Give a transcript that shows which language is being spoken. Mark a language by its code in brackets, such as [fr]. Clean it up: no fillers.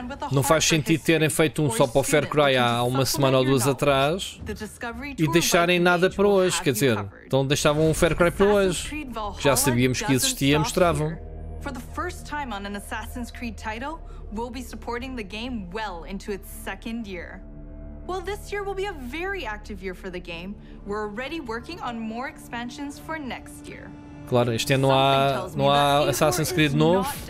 [pt] Não faz sentido terem feito um só para o Far Cry há uma semana ou duas atrás e deixarem nada para hoje, quer dizer, então deixavam um Far Cry para hoje. Já sabíamos que existia, mostravam. [en] For the first time on an Assassin's Creed title, we'll be supporting the game well into its second year. Well, this year will be a very active year for the game. We're already working on more expansions for next year. [pt] Claro, este ano não há Assassin's Creed novo.